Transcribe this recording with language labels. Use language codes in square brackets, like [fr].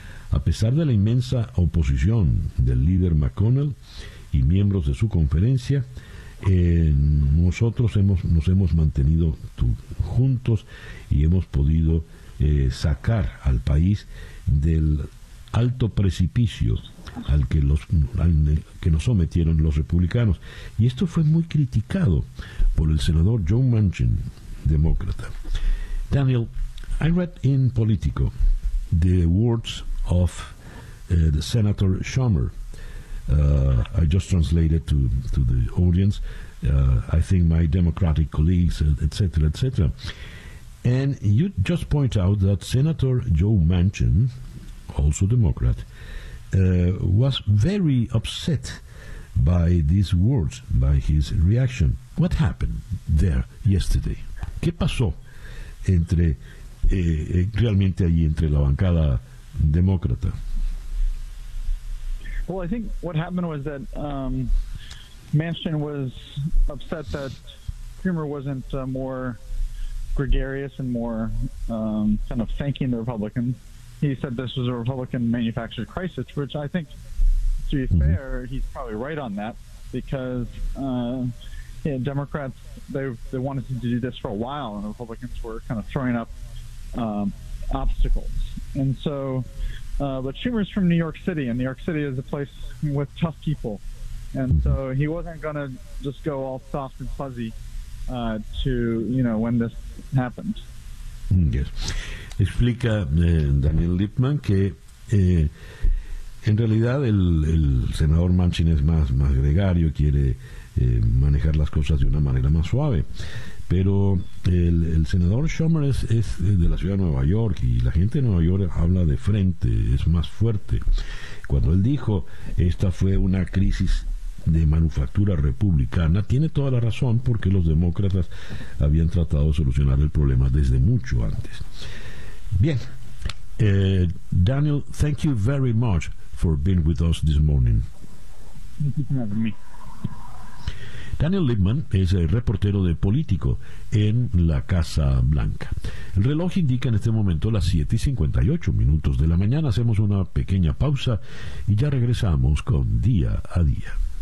[es] A pesar de la inmensa oposición del líder McConnell y miembros de su conferencia, nosotros nos hemos mantenido juntos y hemos podido sacar al país del alto precipicio al que nos sometieron los republicanos. Y esto fue muy criticado por el senador Joe Manchin, demócrata. [en] Daniel, I read in Politico the words of the Senator Schumer. I just translated to the audience. I think my Democratic colleagues, etc., etc. And you just point out that Senator Joe Manchin, also Democrat, was very upset by these words, by his reaction. What happened there yesterday? [es] ¿Qué pasó entre realmente allí entre la bancada demócrata? [en] Well, I think what happened was that Manchin was upset that Schumer wasn't more gregarious and more kind of thanking the Republicans. He said this was a Republican manufactured crisis, which I think, to be fair, he's probably right on that, because you know, Democrats, they wanted to do this for a while, and the Republicans were kind of throwing up obstacles. And so, but Schumer's from New York City, and New York City is a place with tough people. And so he wasn't going to just go all soft and fuzzy when this happened. Yes. [es] Explica Daniel Lippmann que en realidad el senador Manchin es más gregario, quiere manejar las cosas de una manera más suave. Pero el senador Schumer es de la ciudad de Nueva York, y la gente de Nueva York habla de frente, es más fuerte. Cuando él dijo, esta fue una crisis de manufactura republicana, tiene toda la razón, porque los demócratas habían tratado de solucionar el problema desde mucho antes. Bien, [en] Daniel, thank you very much for being with us this morning. [es] Daniel Lippmann es el reportero de Político en la Casa Blanca. El reloj indica en este momento las 7:58 minutos de la mañana. Hacemos una pequeña pausa y ya regresamos con Día a Día.